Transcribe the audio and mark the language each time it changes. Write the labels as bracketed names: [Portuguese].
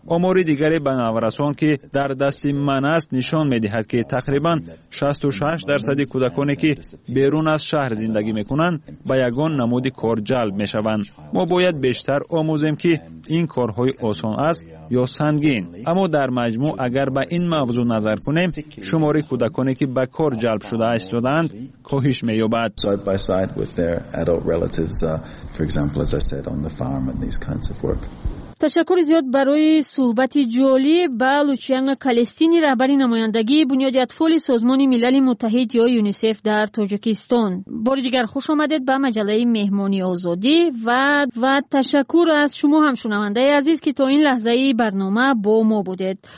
[Persian] آمار دیگری به نورسان که در دست من است نشان میدهد که تقریبا 66% کودکانی که بیرون از شهر زندگی میکنند با یگان نمود کار جلب میشوند. ما باید بیشتر آموزیم که این کارهای آسان است یا سنگین. اما در مجموع اگر به این موضوع نظر کنیم، شماره کودکانی که به کار جلب شده استودند کاهش مییابد. [English] Side by side with their adult relatives, for example, as I said, on the farm and these kinds of work. [Persian] تشکر زیاد برای صحبت جالی با لوچیانگ کالستینی، رهبری نمایندگی بنیاد اطفال سازمان ملل متحد یا یونیسف در تاجیکستان. بار دیگر خوش آمدید به مجله مهمانی آزادی و تشکر از شما هم شنونده عزیز که تا این لحظه برنامه با ما بودید.